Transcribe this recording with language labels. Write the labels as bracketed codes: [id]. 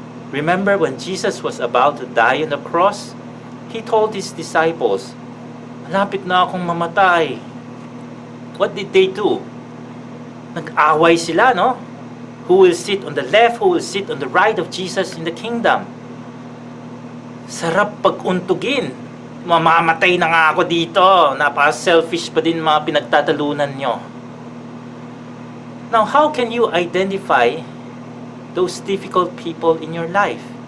[en] Remember when Jesus was about to die on the cross? He told his disciples, [tl] "Malapit na akong mamatay." [en] What did they do? [tl] Nag-away sila, no? [en] Who will sit on the left, who will sit on the right of Jesus in the kingdom? [tl] Sarap pag-untugin. Mamamatay na nga ako dito. Napaka-selfish pa din mga pinagtatalunan nyo. [en] Now, how can you identify those difficult people in your life?